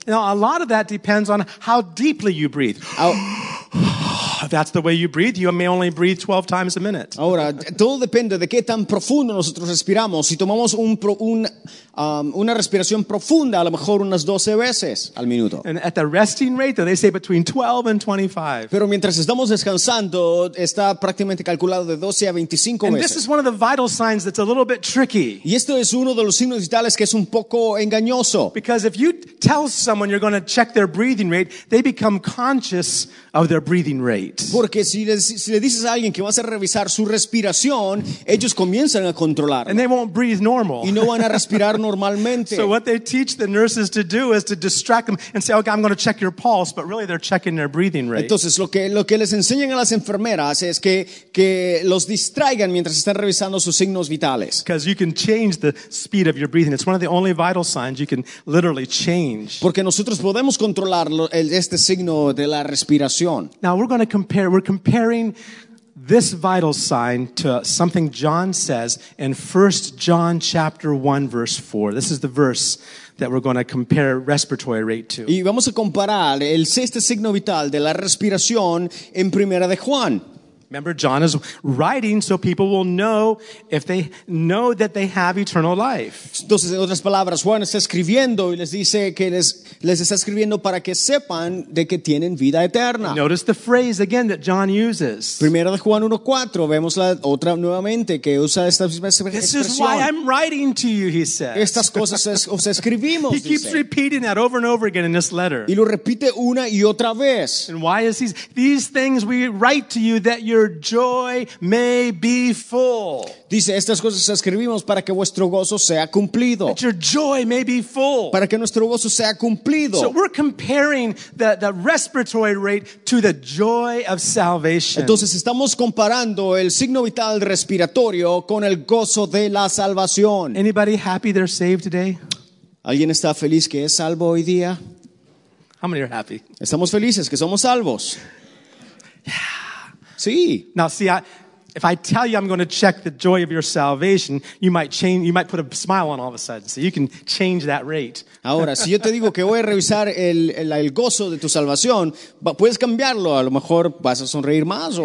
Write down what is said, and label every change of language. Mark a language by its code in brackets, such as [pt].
[en] Now a lot of that depends on how deeply you breathe. If that's the way you breathe, you may only breathe 12 times a minute. [es] Ahora, todo depende de qué tan profundo nosotros respiramos. Si tomamos una respiración profunda, a lo mejor unas 12 veces al minuto. [en] And at the resting rate, they say between 12 and 25. [es] Pero mientras estamos descansando, está prácticamente calculado de 12 a 25 veces. [en] And this is one of the vital signs that's a little bit tricky. [es] Y esto es uno de los signos vitales que es un poco engañoso. [en] Because if you tell someone you're going to check their breathing rate, they become conscious of their breathing rate. [es] Porque si le dices a alguien que vas a revisar su respiración, ellos comienzan a controlarla. [en] And they won't breathe normal. [es] Y no van a respirar normalmente. [en] So what they teach the nurses to do is to distract them and say, okay, I'm going to check your pulse, but really they're checking their breathing rate. [es] Entonces lo que les enseñan a las enfermeras es que los distraigan mientras están revisando sus signos vitales. [en] Because you can change the speed of your breathing. It's one of the only vital signs you can literally change. [es] Porque nosotros podemos controlar este signo de la respiración. [en] Now we're comparing this vital sign to something John says in 1 John chapter 1 verse 4. This is the verse that we're going to compare respiratory rate to. [es] Y vamos a comparar el sexto signo vital de la respiración en Primera de Juan. [en] Remember, John is writing so people will know if they know that they have eternal life. [es] Entonces, en otras palabras, Juan está escribiendo y les dice que les está escribiendo para que sepan de que tienen vida eterna. [en] Notice the phrase again that John uses. [es] Primera de Juan 1:4, vemos la otra nuevamente que usa esta misma expresión. [en] This is why I'm writing to you, he says. [es] Estas cosas os escribimos. [en] He keeps repeating that over and over again in this letter. [es] Y lo repite una y otra vez. [en] And why is these things we write to you that your joy may be full. [es] Dice, estas cosas escribimos para que vuestro gozo sea cumplido. [en] That your joy may be full. [es] Para que nuestro gozo sea cumplido. [en] So we're comparing the respiratory rate to the joy of salvation. [es] Entonces estamos comparando el signo vital respiratorio con el gozo de la salvación. [en] Anybody happy they're saved today? [es] ¿Alguien está feliz que es salvo hoy día? [en] How many are happy? [es] Estamos felices que somos salvos. Sí. [en] Now see, if I tell you I'm going to check the joy of your salvation, you might put a smile on all of a sudden, so you can change that rate. [es] Ahora, si yo te digo que voy a revisar el gozo de tu salvación, puedes cambiarlo. A lo mejor vas a sonreír más o